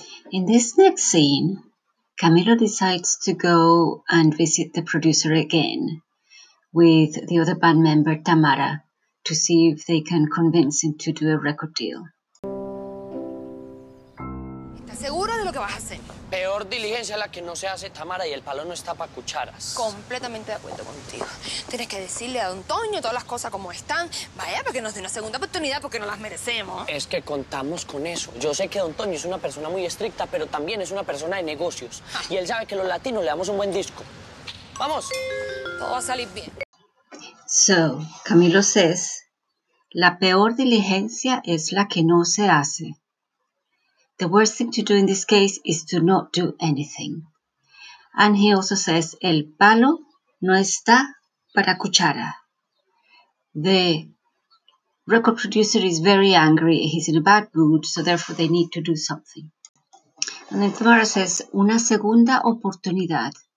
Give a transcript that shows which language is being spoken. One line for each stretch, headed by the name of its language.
English: In this next scene, Camilo decides to go and visit the producer again with the other band member, Tamara, to see if they can convince him to do a record deal.
Spanish: ¿Estás seguro de lo que vas a hacer? Peor diligencia la que no se hace, Tamara, y el palo no está para cucharas. Completamente de acuerdo contigo. Tienes que decirle a Don Toño todas las cosas como están. Vaya, para que nos dé una segunda oportunidad porque no las merecemos. Es que contamos con eso. Yo sé que Don Toño es una persona muy estricta, pero también es una persona de negocios. Y él sabe que los latinos le damos un buen disco. ¡Vamos! Todo va a salir bien.
English: So, Camilo says,
Spanish: la peor diligencia es la que no se hace.
English: The worst thing to do in this case is to not do anything. And he also says,
Spanish: el palo no está para cuchara.
English: The record producer is very angry. He's in a bad mood, so therefore they need to do something. And then Tamara says,
Spanish: una segunda oportunidad.